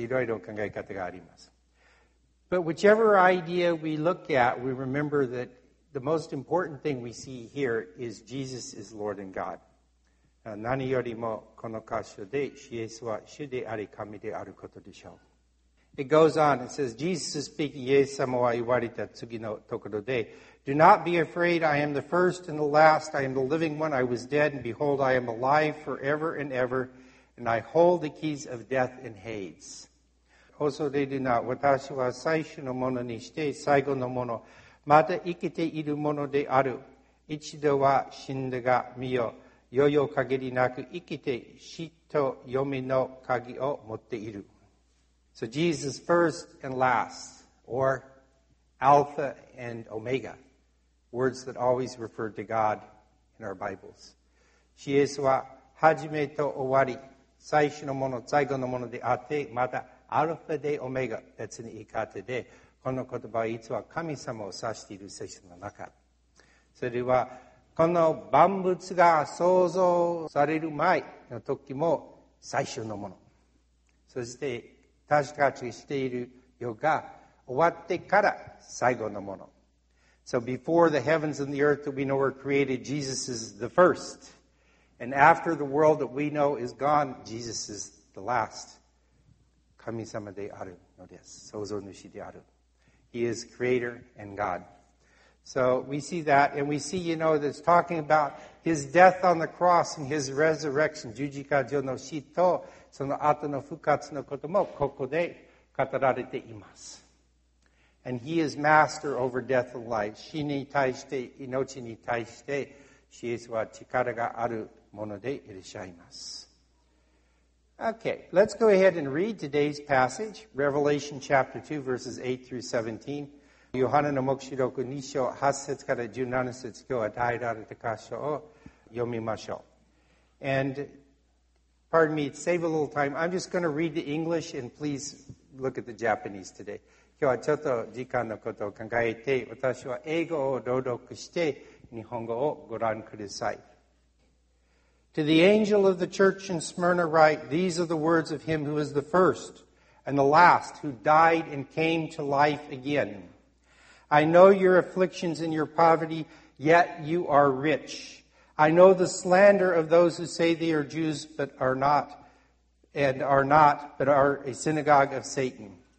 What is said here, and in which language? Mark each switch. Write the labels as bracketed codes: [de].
[ja] いろいろ考え方があります。 [en] But whichever idea we look at, we remember thatThe most important thing we see here is Jesus is Lord and God. [ja] 何よりもこの箇所でイエスは主であり神であることでしょう。 [en] It goes on, it says, Jesus is speaking, [ja] イエス様は言われた次のところで、 [en] Do not be afraid, I am the first and the last, I am the living one, I was dead, and behold, I am alive forever and ever, and I hold the keys of death and Hades. [ja] 恐れるな、私は最初のものにして最後のもの、また生きているものである。一度は死んだが、見よ、余裕限りなく生きて死と嫁の鍵を持っている。 [en] So Jesus first and last, or Alpha and Omega, words that always refer to God in our Bibles. [ja] イエスは始めと終わり、最初のもの、最後のものであって、またアルファでオメガ、別に言い方で、この言葉はいつは神様を指している聖書の中。それはこの万物が創造される前の時も最初のもの。そして私たちがしている世が終わってから最後のもの。 [en] So before the heavens and the earth that we know were created, Jesus is the first. And after the world that we know is gone, Jesus is the last. [ja] 神様であるのです。創造主である。 [en] He is creator and God. So we see that, and we see, you know, that it's talking about his death on the cross and his resurrection. [ja] 十字架上の死とその後の復活のこともここで語られています。 [en] And he is master over death and life. [ja] 死に対して、命に対して、死へは力があるものでいらっしゃいます。 [en] Okay, let's go ahead and read today's passage, Revelation chapter 2, verses 8 through 17. [ja] ヨハネの黙示録2章8節から17節今日は与えられた箇所を読みましょう。 [en] And pardon me, save a little time. I'm just going to read the English and please look at the Japanese today. [ja] 今日はちょっと時間のことを考えて私は英語を朗読して日本語をご覧ください。 [en] To the angel of the church in Smyrna write, These are the words of him who is the first and the last who died and came to life again. I know your afflictions and your poverty, yet you are rich. I know the slander of those who say they are Jews, but are not, and are not, but are a synagogue of Satan.